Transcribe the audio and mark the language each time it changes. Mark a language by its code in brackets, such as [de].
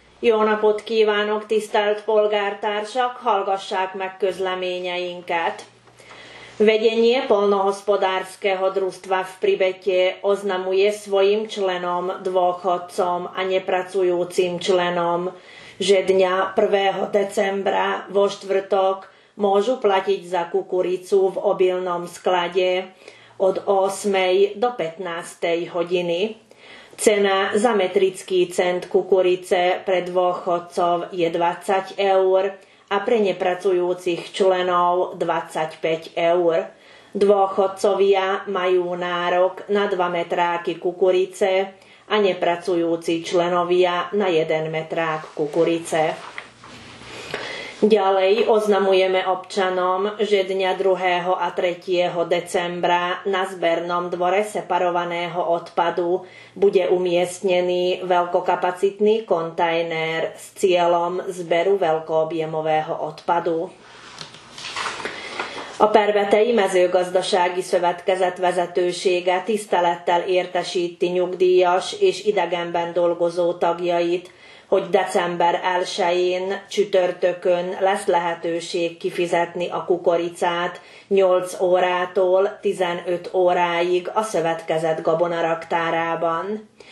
[hu] Jóna podkívánok, tisztelt polgártársak, hallgassák meg közleményeinket. [sk] Vedenie polnohospodárskeho družstva v Pribetie oznamuje svojim členom, dôchodcom a nepracujúcim členom, že dňa 1. decembra vo štvrtok môžu platiť za kukuricu v obilnom sklade od 8. do 15. hodiny. Cena za metrický cent kukurice pre dôchodcov je 20 eur a pre nepracujúcich členov 25 eur. Dôchodcovia majú nárok na 2 metráky kukurice a nepracujúci členovia na 1 metrák kukurice. Ďalej oznamujeme občanom, že dňa 2. a 3. decembra na zbernom dvore separovaného odpadu bude umiestnený veľkokapacitný kontajner s cieľom zberu veľkoobjemového odpadu. [hu] A Pervetei Mezőgazdasági Szövetkezet vezetősége tisztelettel értesíti nyugdíjas és idegenben dolgozó tagjait, hogy december 1-én csütörtökön lesz lehetőség kifizetni a kukoricát 8 órától 15 óráig a szövetkezet gabonaraktárában.